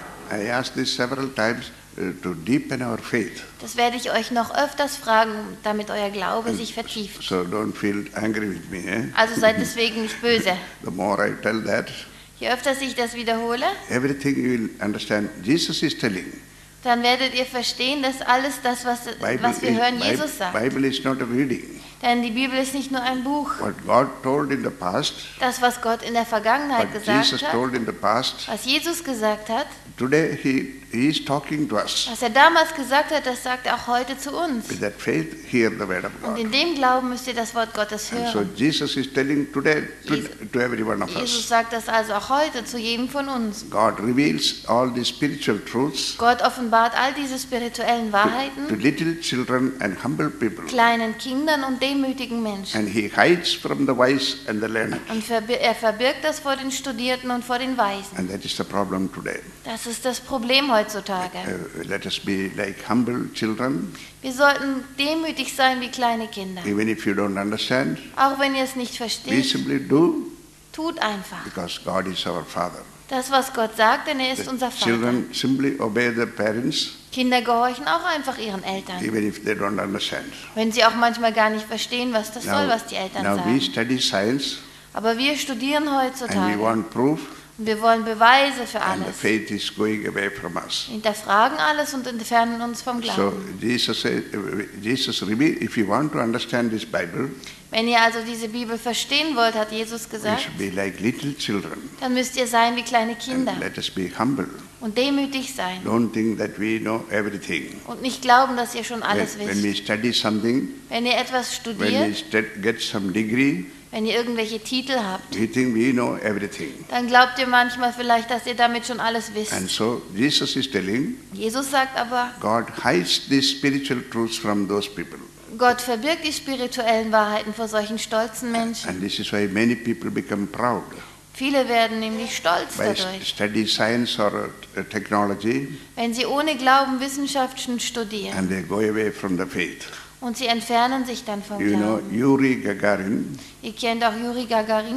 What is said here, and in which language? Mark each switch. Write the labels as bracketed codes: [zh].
[en] I asked this several times to deepen our faith. [de] Das werde ich euch noch öfters fragen, damit euer Glaube sich vertieft. [en] So don't feel angry with me, eh? [de] Also seid deswegen nicht böse. [en] The more I tell that, [de] je öfter ich das wiederhole, [en] everything you will understand, Jesus is telling. [de] Dann werdet ihr verstehen, dass alles das, was wir hören, Jesus sagt. [en] Bible is not a reading. [de] Denn die Bibel ist nicht nur ein Buch. [en] What God told in the past, [de] das, was Gott in der Vergangenheit gesagt [en] Jesus [de] hat, [en] told in the past, [de] was Jesus gesagt hat, [en] today he is talking to us. [de] Was er damals gesagt hat, das sagt er auch heute zu uns. [en] With that faith, hear the word of God. [de] Und in dem Glauben müsst ihr das Wort Gottes hören. [en] And so Jesus is telling today to every one of us. [de] Jesus sagt das also auch heute zu jedem von uns. [en] God reveals all these spiritual truths. [de] Gott offenbart all diese spirituellen Wahrheiten [en] to little children and humble people. [de] Kleinen Kindern und demütigen Menschen. [en] And he hides from the wise and the learned. [de] Und er verbirgt das vor den Studierten und vor den Weisen. [en] And that is the problem today. [de] Das ist das Problem heutzutage. [en] Let us be like humble children. [de] Wir sollten demütig sein wie kleine Kinder. [en] Even if you don't understand, [de] auch wenn ihr es nicht versteht, [en] visibly do, [de] tut einfach. [en] Because God is our Father. [de] Das, was Gott sagt, denn er ist [en] the [de] unser Vater. [en] Children simply obey their parents, [de] Kinder gehorchen auch einfach ihren Eltern. [en] Even if they don't understand. [de] Wenn sie auch manchmal gar nicht verstehen, was das [en] now, [de] soll, was die Eltern [en] now [de] sagen. [en] We study science, [de] aber wir studieren heutzutage. [en] And we want proof, [de] und wir wollen Beweise für alles. [en] And the faith is going away from us. [de] Hinterfragen alles und entfernen uns vom Glauben. [en] So Jesus reveals, if you want to understand this Bible, [de] wenn ihr also diese Bibel verstehen wollt, hat Jesus gesagt, [en] we should be like little children, [de] dann müsst ihr sein wie kleine Kinder. [en] And let us be humble. [de] Und demütig sein. [en] Don't think that we know everything. [de] Und nicht glauben, dass ihr schon alles [en] when, [de] wisst. [en] When we study something, [de] wenn ihr etwas studiert, [en] when we get some degree, [de] wenn ihr irgendwelche Titel habt, [en] we think we know everything. [de] Dann glaubt ihr manchmal vielleicht, dass ihr damit schon alles wisst. [en] And so Jesus is telling, [de] Jesus sagt aber, [en] God hides these spiritual truths from those people. [de] Gott verbirgt die spirituellen Wahrheiten vor solchen stolzen Menschen. [en] And this is why many people become proud. [de] Viele werden nämlich stolz [en] by [de] dadurch. [en] Study science or technology, [de] wenn sie ohne Glauben Wissenschaften studieren. [en] And they go away from the faith. [de] Und sie entfernen sich dann vom [en] you [de] Glauben. [en] Know, Yuri Gagarin, [de] ihr kennt auch Yuri Gagarin.